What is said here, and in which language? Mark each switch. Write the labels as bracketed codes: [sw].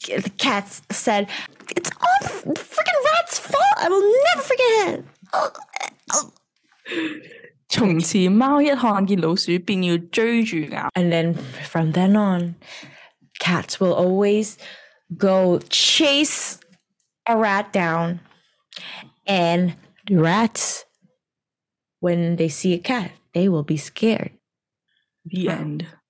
[en] The cat said, it's all the freaking rat's fault. I will never forget him. [zh] 从此猫一看见老鼠便要追住咬。 [en] And then from then on, cats will always go chase a rat down. And the rats, when they see a cat, they will be scared. The end.